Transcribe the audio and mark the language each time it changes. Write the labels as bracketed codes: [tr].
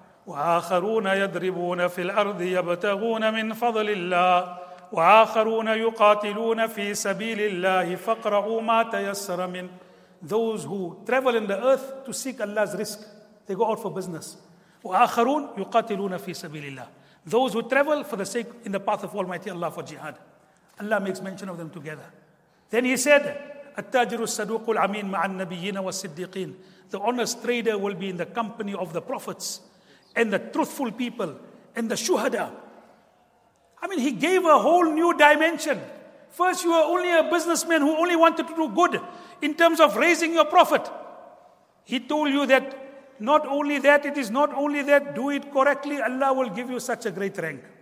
[ar] وآخرون يضربون في الأرض يبتغون من فضل الله وآخرون يقاتلون في سبيل الله فاقرؤوا ما تيسر من. [en] Those who travel in the earth to seek Allah's risk, they go out for business. [ar] وآخرون يقاتلون في سبيل الله. [en] Those who travel for the sake in the path of Almighty Allah for jihad. Allah makes mention of them together. Then he said, [ar] التاجر الصدوق العمين مع النبيين والصديقين. [en] The honest trader will be in the company of the prophets and the truthful people and the shuhada. I mean, he gave a whole new dimension. First, you were only a businessman who only wanted to do good in terms of raising your profit. He told you that not only that, it is not only that, do it correctly, Allah will give you such a great rank.